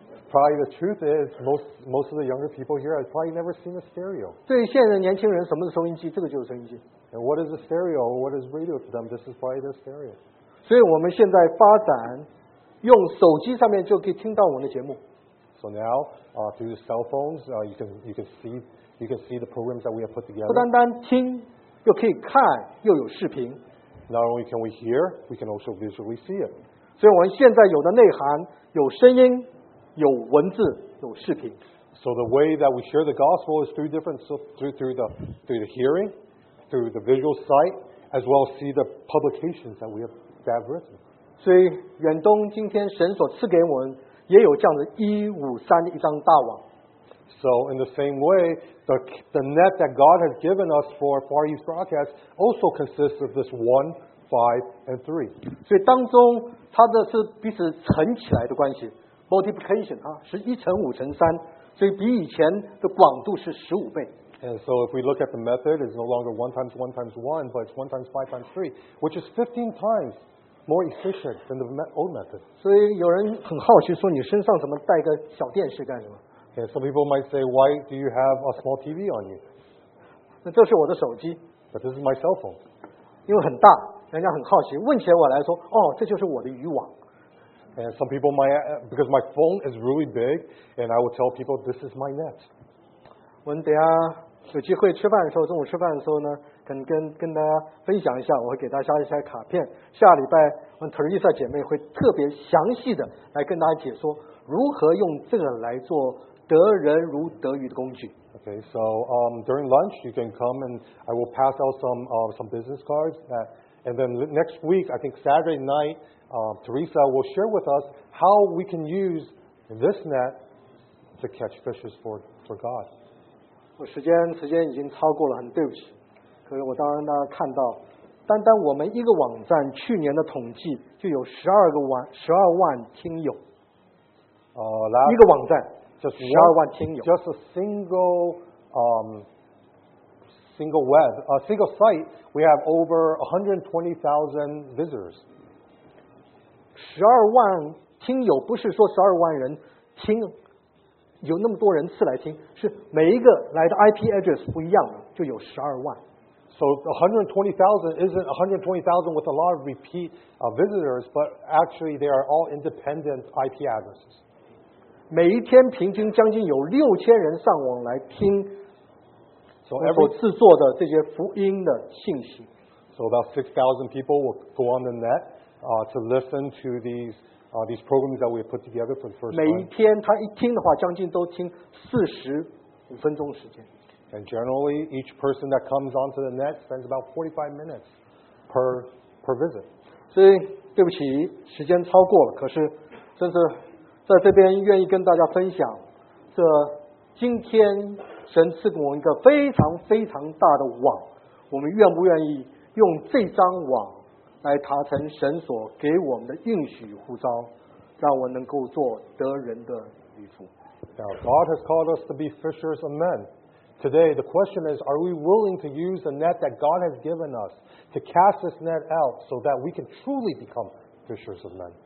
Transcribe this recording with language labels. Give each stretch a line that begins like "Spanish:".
English: Probably the truth is most of the younger people here have probably never seen a stereo.
Chinese: 对于现在年轻人，什么是收音机？这个就是收音机。
English: And what is a stereo? What is radio to them? This is probably the stereo.
Chinese: 所以我们现在发展，用手机上面就可以听到我们的节目。
English: So now, through the cell phones, you can see the programs that we have put together.
Chinese: 不单单听，又可以看，又有视频。
English: Not only can we hear, we can also visually see it.
Chinese: 所以我们现在有的内涵，有声音。有文字，有视频。
English: So the way that we share the gospel is through different, through the hearing, through the visual sight, as well as see the publications that we have that written.
Chinese: 所以远东今天神所赐给我们也有这样的153的一张大网。
English: So in the same way, the net that God has given us for Far East broadcast also consists of this 1, 5, and 3.
Chinese: 所以当中它的是彼此乘起来的关系。 Multiplication 啊，是一乘五乘三，所以比以前的广度是十五倍。
English: And so if we look at the method, it's no longer 1 times 1 times 1, but it's 1 times 5 times 3, which is 15 times more efficient than the old method.
Chinese: 所以有人很好奇说，你身上怎么带个小电视干什么
English: ？And some people might say, why do you have a small TV on you?
Chinese: 那这是我的手机。
English: But this is my cell phone.
Chinese: 因为很大，人家很好奇，问起我来说，哦，这就是我的渔网。
English: And some people might, because my phone is really big, and I will tell people this is my net.
Chinese: 我们等一下有机会吃饭的时候，中午吃饭的时候呢，可能跟大家分享一下，我会给大家一下卡片。下礼拜我们特丽莎姐妹会特别详细的来跟大家解说如何用这个来做得人如得鱼的工具。
English: Okay, so during lunch you can come and I will pass out some business cards that, and then next week I think Saturday night. Teresa will share with us how we can use this net to catch fishes for God.
Chinese: 我时间已经超过了，很对不起。可是我当然大家看到，单单我们一个网站去年的统计就有12万听友。一个网站12万听友。
English: Just a single site, we have over 120,000 visitors.
Chinese: 十二万听友不是说十二万人听，有那么多人次来听，是每一个来的 IP address 不一样，就有十二万。
English: So 120,000 isn't 120,000 with a lot of repeat visitors, but actually they are all independent IP addresses.
Chinese: 每一天平均将近有6000人上网来听，所制作的这些福音的信息。
English: So about 6,000 people will go on the net. To listen to these programs that we put together for the first time.
Chinese: 每一天他一听的话，将近都听45分钟时间。
English: And generally, each person that comes onto the net spends about 45 minutes per visit.
Chinese: 所以对不起，时间超过了。可是，真是在这边愿意跟大家分享，这今天神赐给我们一个非常非常大的网，我们愿不愿意用这张网？来达成神所给我们的应许呼召，让我能够做得人的渔夫。
English: Now God has called us to be fishers of men. Today the question is, are we willing to use the net that God has given us to cast this net out so that we can truly become fishers of men?